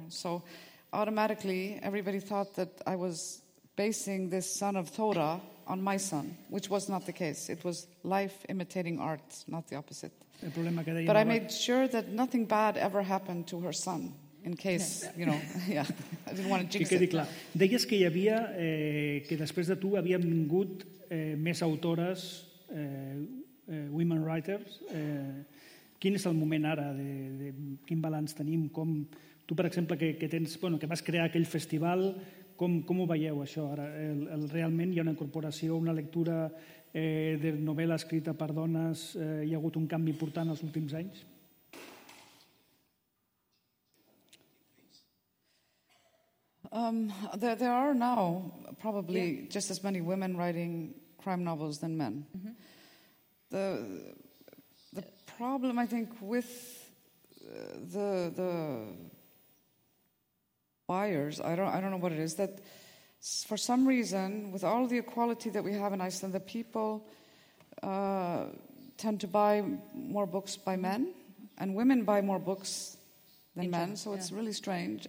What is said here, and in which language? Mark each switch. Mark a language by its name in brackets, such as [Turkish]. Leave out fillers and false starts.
[English] So automatically, everybody thought that I was basing this son of Thora on my son, which was not the case. It was life imitating art, not the opposite. [Catalan] El problema que deia [English] but I made sure that nothing bad ever happened to her son, in case, you know, yeah. I didn't want to jinx [Catalan] que [English] it. [Catalan] Clar. Deies que hi havia, que després de tu havien vingut més autores, [English] women writers. [Catalan] Quin és el moment ara? De quin balanç tenim? Com, tu, per exemple, que tens, bueno, que vas crear aquell festival... Com ho veieu, això, ara? Realment hi ha una incorporació, una lectura de novel·la escrita per dones? Hi ha hagut un canvi important els últims anys? [English] There are now probably just as many women writing crime novels than men. Mm-hmm. The problem, I think, with the buyers, I don't know what it is, that for some reason, with all the equality that we have in Iceland, the people tend to buy more books by men, and women buy more books than men, so it's really strange.